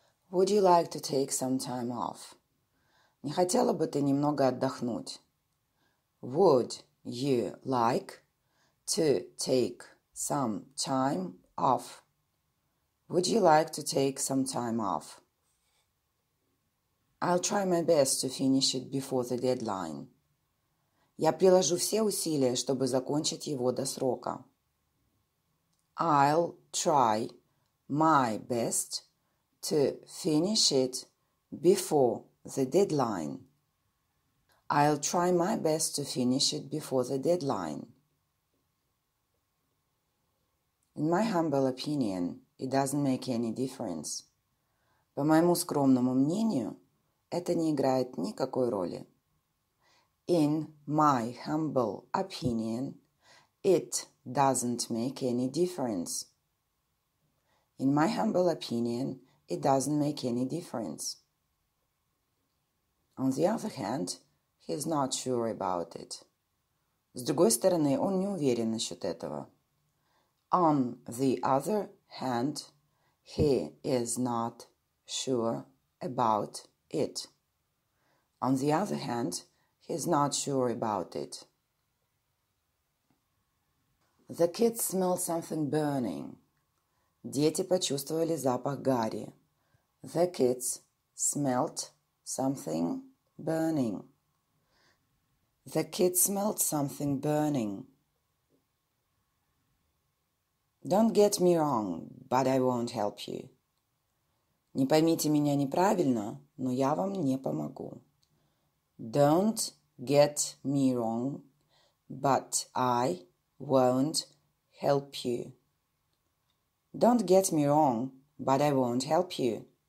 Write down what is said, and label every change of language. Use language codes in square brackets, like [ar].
[en] Would you like to take some time off? [ru] Не хотела бы ты немного отдохнуть? [en] Would you like to take some time off? Would you like to take some time off? I'll try my best to finish it before the deadline. [ru] Я приложу все усилия, чтобы закончить его до срока. [en] I'll try my best to finish it before the deadline. I'll try my best to finish it before the deadline. In my humble opinion, it doesn't make any difference. [ru] По моему скромному мнению, это не играет никакой роли. [en] In my humble opinion, it doesn't make any difference. In my humble opinion, it doesn't make any difference. On the other hand, he's not sure about it. [ru] С другой стороны, он не уверен насчет этого. [en] On the other hand, he is not sure about it. On the other hand, he's not sure about it. The kids smell something burning. [ru] Дети почувствовали запах гари. [en] The kids smelled something burning. The kids smelled something burning. Don't get me wrong, but I won't help you. [ru] Не поймите меня неправильно, но я вам не помогу. [en] Don't get me wrong, but I won't help you. Don't get me wrong, but I won't help you.